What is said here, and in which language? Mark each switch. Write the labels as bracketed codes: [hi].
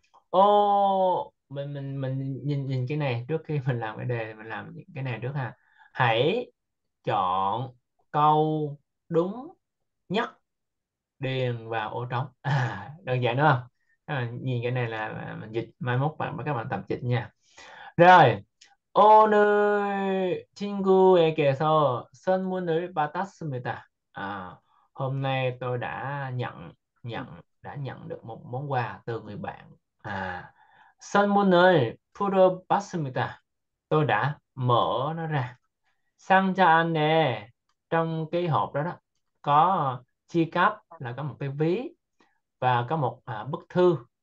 [vi] Ô mình nhìn nhìn cái này trước khi mình làm cái đề, mình làm cái này trước ha. Hãy chọn câu đúng nhất điền vào ô trống. Đơn giản đúng không? Nhìn cái này là mình dịch, mai mốt bạn các bạn tập dịch nha. Rồi. [ko] 오늘 친구에게서 선물을 받았습니다. [vi] Hôm nay tôi đã nhận được một món quà từ người bạn. [ko] 선물을 풀어봤습니다. [vi] Tôi đã mở nó ra. [ko] 상자 안에 [vi] trong cái hộp đó đó có chia cắp, là có một cái ví và có một bức thư.